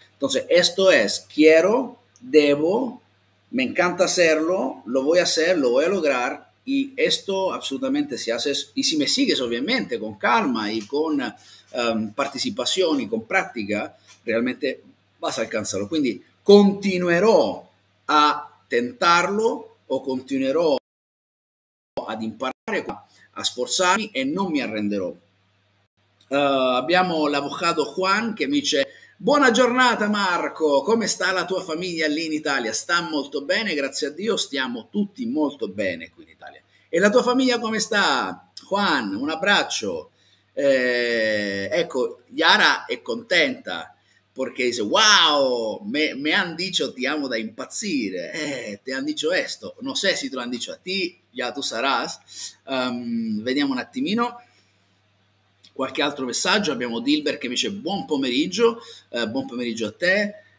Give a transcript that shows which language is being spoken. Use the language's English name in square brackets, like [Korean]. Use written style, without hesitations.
[Spanish] Entonces, esto es, quiero, debo, me encanta hacerlo, lo voy a hacer, lo voy a lograr y esto absolutamente si haces y si me sigues obviamente con calma y con participación y con práctica, realmente vas a alcanzarlo. [Italian] Quindi continuerò a tentarlo o continuerò ad imparare, a sforzarmi e non mi arrenderò. Abbiamo l'avvocato Juan che mi dice... Buona giornata Marco, come sta la tua famiglia lì in Italia? Sta molto bene, grazie a Dio, stiamo tutti molto bene qui in Italia. E la tua famiglia come sta? Juan, un abbraccio. Ecco, Yara è contenta perché dice, wow, [Spanish] me han dicho [Italian] ti amo da impazzire, [Spanish] te han dicho esto. [Italian] Non so se [Spanish] te lo han dicho a ti, ya tu sarás. [Italian] Vediamo un attimino. Qualche altro messaggio, abbiamo Dilbert che mi dice buon pomeriggio a te.